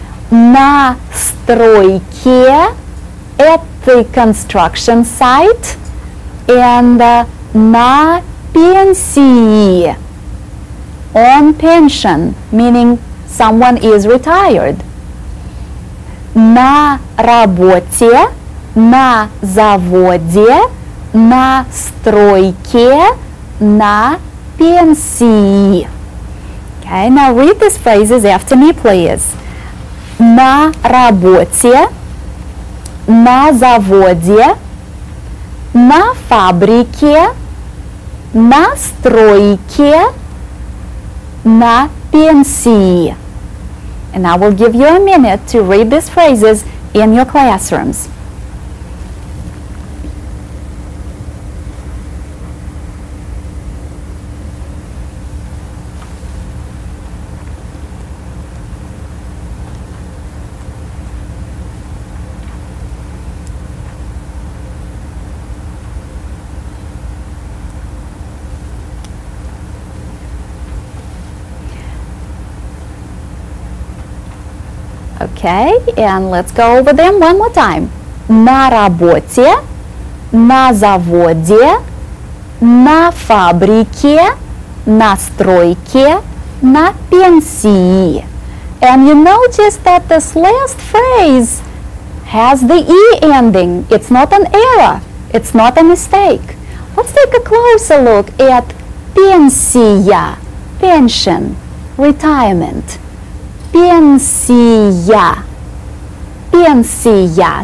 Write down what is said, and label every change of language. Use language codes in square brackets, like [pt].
[ru] На стройке, [en] at the construction site. And [ru] на пенсии, [en] on pension, meaning someone is retired. [ru] На работе, на заводе, на стройке, на пенсии. [en] Okay, now read these phrases after me, please. [ru] На работе, на заводе, на фабрике, на стройке, на пенсии. [en] And I will give you a minute to read these phrases in your classrooms. Okay, and let's go over them one more time. [ru] На работе, на заводе, на фабрике, на стройке, на пенсии. [en] And you notice that this last phrase has the E ending. It's not an error. It's not a mistake. Let's take a closer look at пенсия, pension, retirement. [ru] Пенсия. Пенсия.